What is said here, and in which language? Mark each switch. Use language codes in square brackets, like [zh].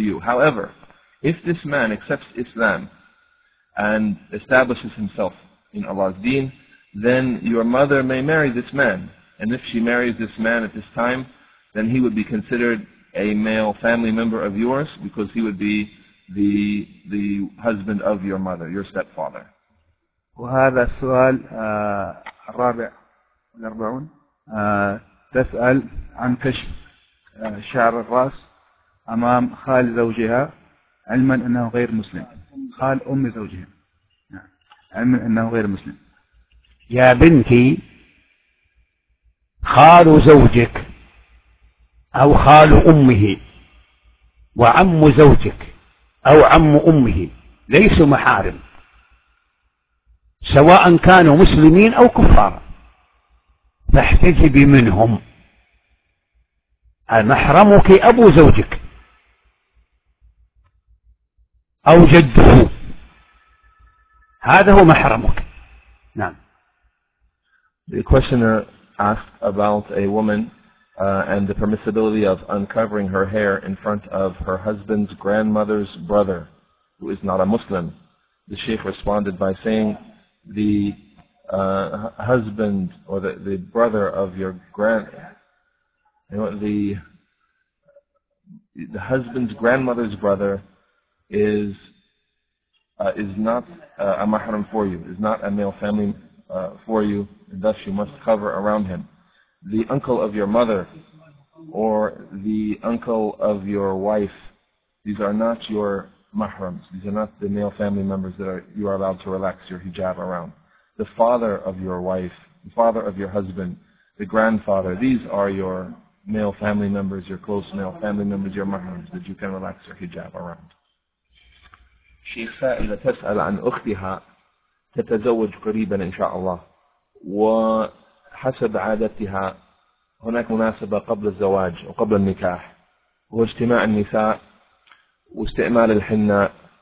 [en] However, if this man accepts Islam and establishes himself in Allah's deen, then your mother may marry this man. And if she marries this man at this time, then he would be considered a male family member of yours, because he would be the husband of your mother, your stepfather. [ar] وهذا السؤال الرابع والأربعون تسأل عن كشف شعر الرأس أمام خال زوجها علما أنه غير مسلم، خال أم زوجها علما أنه غير مسلم. يا بنتي، خال زوجك أو خال أمه وعم زوجك أو عم أمه ليسوا محارم، سواء كانوا مسلمين أو كفار، فاحتجبي منهم. محرمك أبو زوجك أو جده، هذا هو محرمك. نعم. [en] The questioner asked about a woman and the permissibility of uncovering her hair in front of her husband's grandmother's brother, who is not a Muslim. The Sheikh responded by saying, the husband or the brother of your grand, you know, the husband's grandmother's brother is not a mahram for you, is not a male family for you, and thus you must cover around him. The uncle of your mother or the uncle of your wife, these are not your mahrams. These are not the male family members that you are allowed to relax your hijab around. The father of your wife, the father of your husband, the grandfather, these are your male family members, your close male family members, your mahrams, that you can relax your hijab around. [ar] شيخ سائلة تسأل عن أختها تتزوج قريبا إن شاء الله، وحسب عادتها هناك مناسبة قبل الزواج وقبل النكاح، واجتماع النساء واستعمال الحناء،